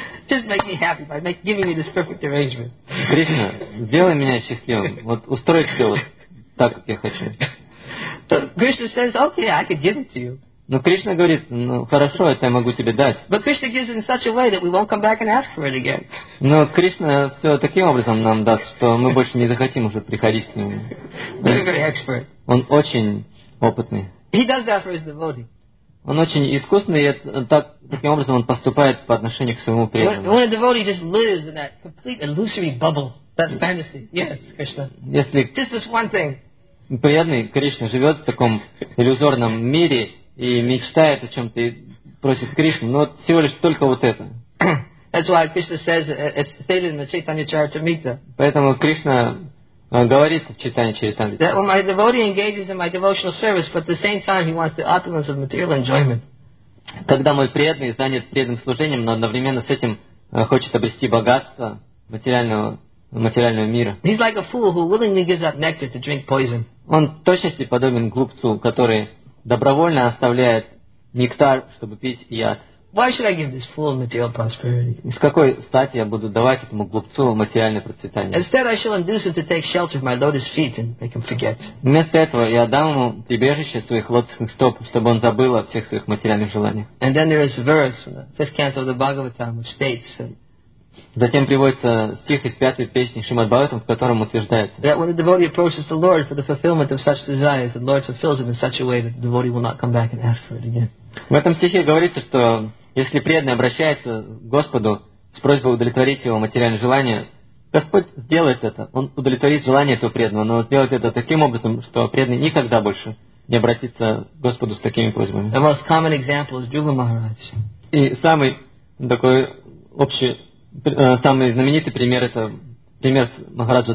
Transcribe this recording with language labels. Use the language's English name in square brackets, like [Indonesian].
[English] Just make me happy by giving me this perfect arrangement. [Russian] Кришна, сделай меня счастливым. Вот устрой все вот так, как я хочу. [English] So Krishna says, okay, I could give it to you. [Russian] Но Кришна говорит, ну хорошо, это я могу тебе дать. [English] But Krishna gives it in such a way that we won't come back and ask for it again. [Russian] Но Кришна все таким образом нам даст, что мы больше не захотим уже приходить к нему. [English] He's a very expert. [Russian] Он очень опытный. [English] He does that for his devotee. [Russian] Он очень искусный, и так, таким образом он поступает по отношению к своему преданному. [English] When a devotee just lives in that complete illusory bubble, that fantasy, yes, Krishna. [Russian] Если [English] just this one thing. [Russian] Преданный Кришна живет в таком иллюзорном мире. И мечтает о чем-то и просит Кришну, но всего лишь только вот это. [English] That's why Krishna says it's stated in the Chaitanya Charitamrita. [Russian] Поэтому Кришна говорит в Чайтанья Чаритамрите. [English] That when my devotee engages in my devotional service, but at the same time he wants the opulence of material enjoyment. [Russian] Когда мой преданный занят преданным служением, но одновременно с этим хочет обрести богатство материального мира. [English] He's like a fool who willingly gives up nectar to drink poison. [Russian] Он точно себе подобен глупцу, который добровольно оставляет нектар, чтобы пить яд. [English] Why should I give this fool material prosperity? [Russian] С какой стати я буду давать этому глупцу материальное процветание? [English] Instead, I shall induce him to take shelter of my lotus feet and make him forget. [Russian] Вместо этого я дам ему прибежище своих лотосных стоп, чтобы он забыл о всех своих материальных желаниях. [English] And then there is a verse from the fifth canto of the Bhagavatam which states. [Russian] Затем приводится стих из пятой песни Шримад Бхагаватам, в котором утверждается. [English] That when a devotee approaches the Lord for the fulfillment of such desires, the Lord fulfills him in such a way that the devotee will not come back and ask for it again. [Russian] В этом стихе говорится, что если преданный обращается к Господу с просьбой удовлетворить его материальное желание, Господь сделает это. Он удовлетворит желание этого преданного, но сделает это таким образом, что преданный никогда больше не обратится к Господу с такими просьбами. [English] The most common example is Dhruva Maharaj. [Russian] И самый такой общий самый знаменитый пример — это пример Махараджа